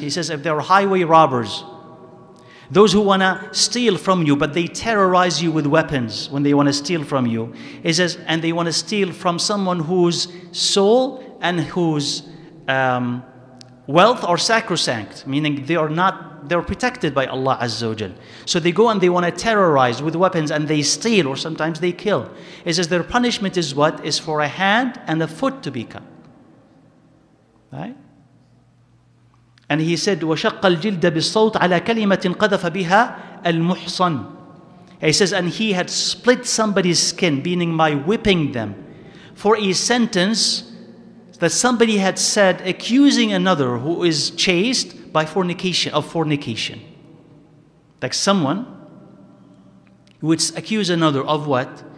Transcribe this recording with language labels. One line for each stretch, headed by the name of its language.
English: He says, if there are highway robbers, those who want to steal from you, but they terrorize you with weapons when they want to steal from you, he says, and they want to steal from someone whose soul and whose wealth are sacrosanct, meaning they're protected by Allah Azza wa Jal. So they go and they want to terrorize with weapons and they steal, or sometimes they kill. It says their punishment is what? Is for a hand and a foot to be cut. Right? And he said,
Arabic: وَشَقَّ الْجِلْدَ بِالصَّوْتِ عَلَى كَلِمَةٍ قَذَفَ بِهَا الْمُحْصَنِ.
English: He says, and he had split somebody's skin, meaning by whipping them, for a sentence that somebody had said, accusing another who is chaste by fornication. Like someone would accuse another of what?